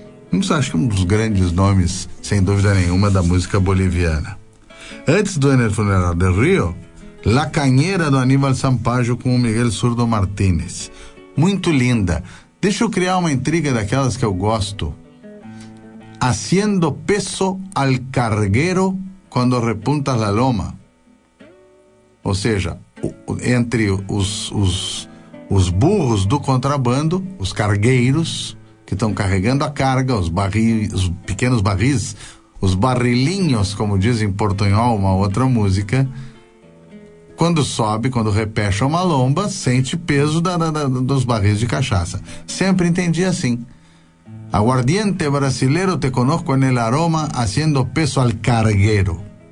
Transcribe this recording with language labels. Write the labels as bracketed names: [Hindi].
[Portuguese] Isso acho que um dos grandes nomes, sem dúvida nenhuma, da música boliviana. Antes do En el Funeral del Río, La Cañera do Aníbal Sampaio com o Miguel Zurdo Martínez. Muito linda. Deixa eu criar uma intriga daquelas que eu gosto. [Spanish] Haciendo peso al carguero cuando repuntas la loma. [Portuguese] Ou seja, entre os burros do contrabando, os cargueiros que estão carregando a carga, os pequenos barris, os barrilinhos, como dizem portunhol, uma outra música, quando sobe, quando repecha uma lomba, sente peso dos barris de cachaça. Sempre entendi assim. [Spanish] Aguardiente brasileiro, te conozco en el aroma, haciendo peso al carguero.